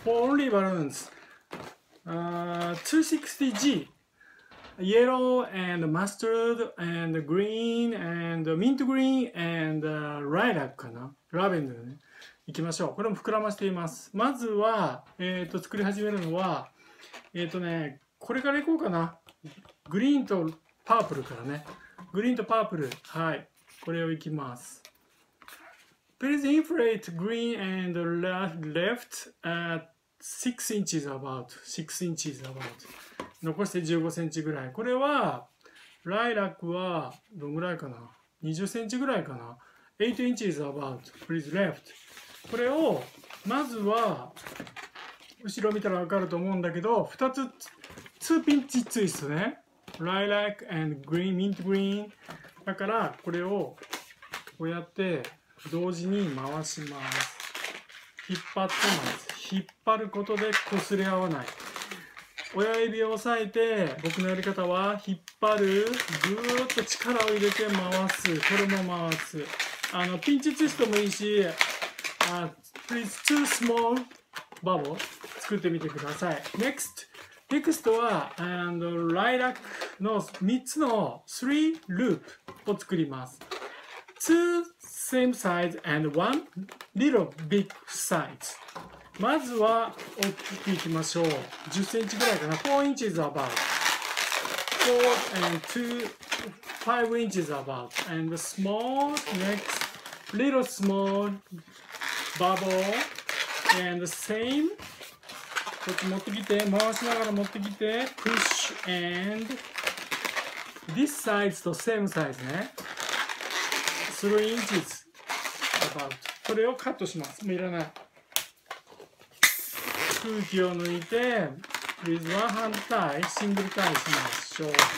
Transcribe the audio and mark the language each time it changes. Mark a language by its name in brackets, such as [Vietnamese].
[English] For only balloons260G yellow and mustard and green and mint green and lilac [Japanese] かな、ラベンダーね。いきましょう。これも膨らましています。まずは、作り始めるのはこれからいこうかな。グリーンとパープルからね。グリーンとパープル、はい、これをいきます。 [English] Please inflate green and left at 6 inches about. 6 inches about. [Japanese] 残して15センチぐらい。これは、ライラックはどんぐらいかな ?20 センチぐらいかな ? [English] 8 inches about. Please left. [Japanese] これを、まずは、後ろ見たらわかると思うんだけど、2ピンチツイストね。 [English] ライラック and green, mint green. [Japanese] だから、これを、こうやって、同時に回します。引っ張ってます。引っ張ることで擦れ合わない。親指を押さえて、僕のやり方は引っ張る、ぐーっと力を入れて回す。これも回す。あのピンチツイストもいいし、 [English] Please two small bubble [Japanese] 作ってみてください。 [English] Next [Japanese] は [English] and lilac [Japanese] の3つの3ループを作ります。 [English] 2 same size and 1 little big size。 [Japanese] まずは大きくいきましょう。 10センチぐらいかな。 [English] 4 inches about 4 and 2 5 inches about and the small next little small bubble and the same。 [Japanese] ちょっと持ってきて、回しながら持ってきて [English] push and this size と same size ね、3 inches about。 [Japanese] これをカットします。もういらない。空気を抜いて、 [English] Please one hand tie、 [Japanese] シングルタイしましょう。